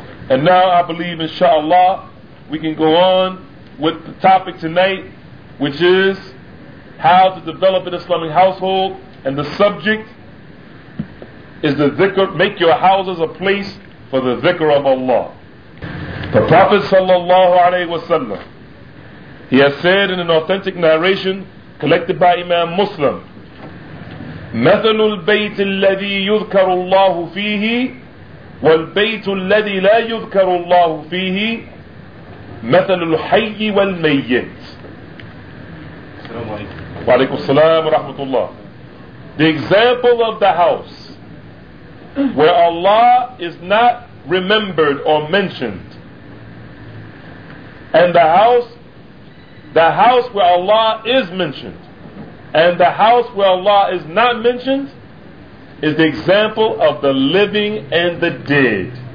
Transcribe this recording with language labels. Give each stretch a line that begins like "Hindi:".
English: And now I believe, inshallah, we can go on with the topic tonight, which is how to develop an Islamic household. And the subject is the dhikr, make your houses a place for the dhikr of Allah. The Prophet sallallahu alaihi wasallam He has said in an authentic narration collected by Imam Muslim,
Arabic: مَثَلُ الْبَيْتِ الَّذِي يُذْكَرُ اللَّهُ فِيهِ وَالْبَيْتُ الَّذِي لَا يُذْكَرُ اللَّهُ فِيهِ مَثَلُ الْحَيِّ وَالْمَيِّتِ. Wa alaykum as-salam wa rahmatullah.
English: The example of the house where Allah is not remembered or mentioned, and the house where Allah is mentioned, and the house where Allah is not mentioned, is the example of the living and the dead.